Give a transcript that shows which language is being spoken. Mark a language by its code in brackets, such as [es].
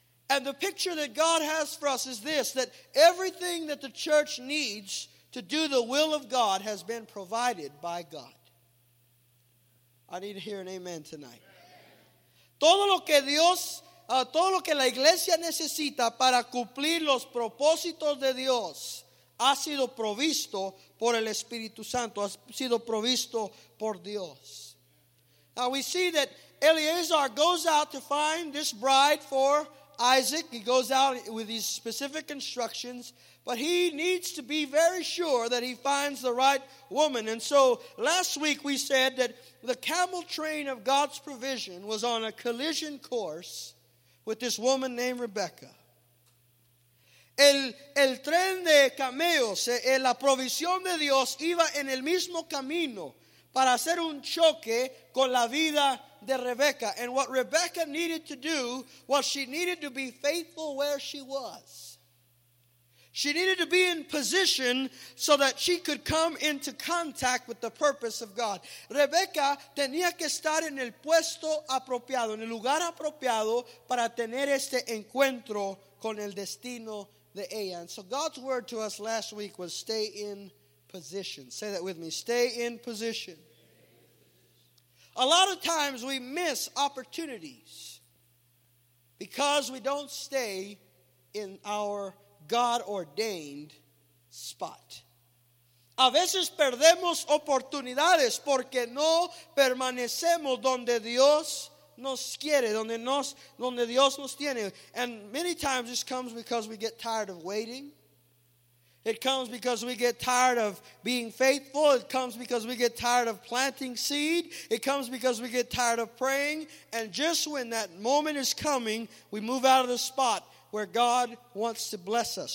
[en] And the picture that God has for us is this, that everything that the church needs to do the will of God has been provided by God. I need to hear an amen tonight. [es] Todo lo que Dios, todo lo que la iglesia necesita para cumplir los propósitos de Dios ha sido provisto por el Espíritu Santo, ha sido provisto por Dios. [en] Now we see that Eleazar goes out to find this bride for Isaac. He goes out with these specific instructions, but he needs to be very sure that he finds the right woman. And so last week we said that the camel train of God's provision was on a collision course with this woman named Rebecca. [es] El tren de camellos, la provisión de Dios iba en el mismo camino para hacer un choque con la vida de Rebeca. [en] And what Rebeca needed to do was she needed to be faithful where she was. She needed to be in position so that she could come into contact with the purpose of God. [es] Rebeca tenía que estar en el puesto apropiado, en el lugar apropiado para tener este encuentro con el destino de ella. [en] And so God's word to us last week was stay in position. Say that with me. Stay in position. A lot of times we miss opportunities because we don't stay in our God-ordained spot. [es] A veces perdemos oportunidades porque no permanecemos donde Dios nos quiere, donde Dios nos tiene. [en] And many times this comes because we get tired of waiting. It comes because we get tired of being faithful. It comes because we get tired of planting seed. It comes because we get tired of praying. And just when that moment is coming, we move out of the spot where God wants to bless us.